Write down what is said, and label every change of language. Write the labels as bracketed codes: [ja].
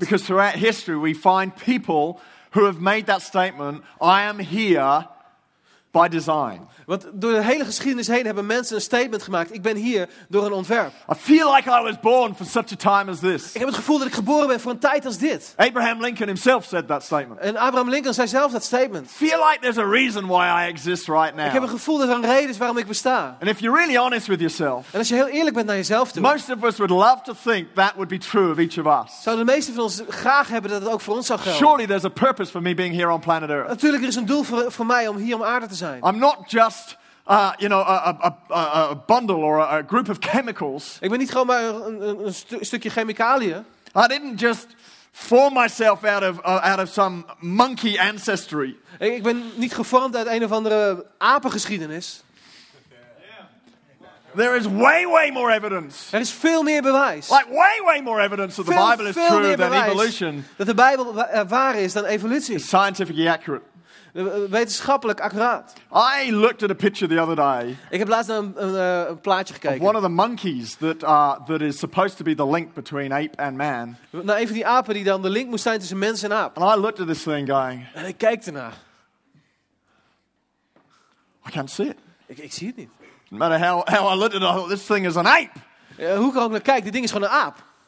[en] Because throughout history we find people who have made that statement, I am here by design. [nl] Want door de hele geschiedenis heen hebben mensen een statement gemaakt. Ik ben hier door een ontwerp. [en] I feel like I was born for such a time as this. [nl] Ik heb het gevoel dat ik geboren ben voor een tijd als dit. [en] Abraham Lincoln himself said that statement. [nl] En Abraham Lincoln zei zelf dat statement. [en] Feel like there's a reason why I exist right now. [nl] Ik heb het gevoel dat er een reden is waarom ik besta. [en] And if you're really honest with yourself. [nl] En als je heel eerlijk bent naar jezelf toe. [en] Most of us would love to think that would be true of each of us. [nl] Zouden de meeste van ons graag hebben dat het ook voor ons zou gelden. [en] Surely there's a purpose for me being here on planet Earth. [nl] Natuurlijk er is een doel voor mij om hier op aarde te zijn. [en] I'm not just a bundle or a group of chemicals. [nl] Ik ben niet gewoon maar een stukje chemicaliën. [en] I didn't just form myself out of some monkey ancestry. [nl] Ik ben niet gevormd uit een of andere apengeschiedenis. [en] There is way, way more evidence. [nl] Er is veel meer bewijs. [en] Like way, way more evidence that the Bible is true than evolution. [nl] Dat de Bijbel waar is dan evolutie. [en] It's scientifically accurate. [nl] Wetenschappelijk accuraat. [en] I looked at a picture the other day. [nl] Ik heb laatst naar een plaatje gekeken. [en] Of one of the monkeys that is supposed to be the link between ape and man. [nl] Nou, een van die apen die dan de link moest zijn tussen mens en aap. [en] And I looked at this thing going. [nl] En ik keek ernaar. [en] I can't see it. [nl] Ik zie het niet. [en] No matter how I looked at it, I thought this thing is an ape. [nl] Ja, hoe kan ik naar kijken? Dit ding is gewoon een aap.